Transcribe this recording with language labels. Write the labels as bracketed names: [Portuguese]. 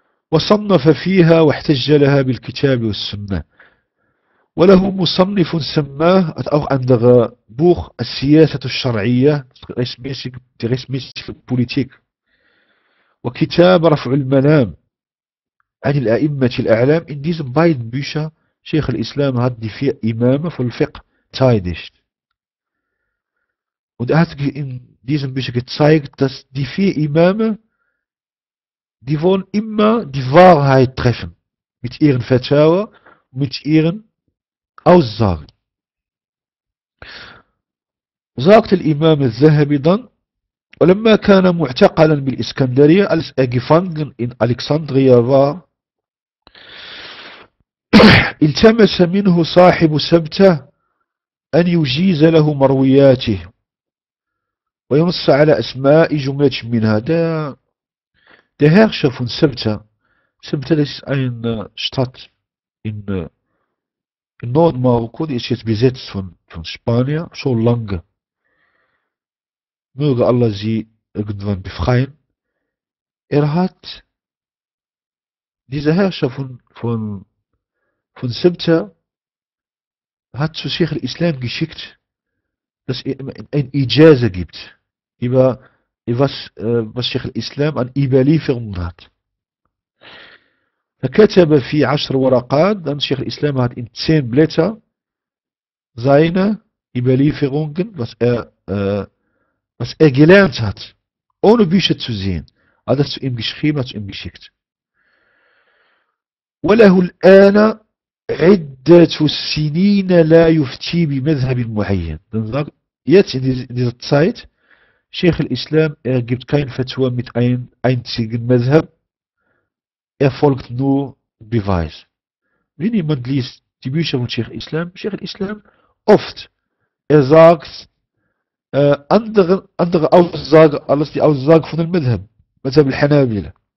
[Arabic] وصنف فيها واحتج لها بالكتاب والسنة. وله مصنف سماه [German] hat auch ein Buch [Arabic] السياسة الشرعية [German] die Rechtsmäßige Politik [Arabic] وكتاب رفع المنام عن الأئمة الأعلام. [German] In diesen beiden Büchern Sheikh al-Islam hat die vier Imame von Fiqh teidigt. Und hat in diesen Büchern gezeigt, dass die vier Imame die wollen immer die Wahrheit treffen mit ihren Fatwa, mit ihren Aussagen. Sagt der Imam al-Zahabi dann, [Arabic] ولما كان معتقلا بالإسكندرية, [German] als er gefangen in Alexandria war, [Arabic] التمس منه صاحب سبتة أن يجيز له مروياته وينص على أسماء جملة منها. [German] ده Der Herrscher von Sebta, Sebta ist eine Stadt in Nordmarokko, die ist jetzt besetzt von Spanier, schon lange. Möge Allah sie irgendwann befreien. Er hat, dieser Herrscher von Sebta, hat zu Sheikh al-Islam geschickt, dass er ein Ijaza gibt über was Sheikh al-Islam an Überlieferungen hat. [Arabic] فكتب في 10 ورقات, [German] dann Sheikh al-Islam hat in 10 Blätter seine Überlieferungen, was er gelernt hat, ohne Bücher zu sehen, hat das zu ihm geschrieben, hat es ihm geschickt. [Arabic] وله الآن عدة سنين لا يفتي بمذهب معين. [German] Dann sagt, jetzt in dieser Zeit, Sheikh al-Islam, er gibt kein Fatwa mit einem einzigen Mazhab. Er folgt nur Beweis. Wenn jemand liest die Bücher von Sheikh al-Islam, oft, er sagt andere Aussage als die Aussage von dem Mazhab, Mazhab al-Hanabila.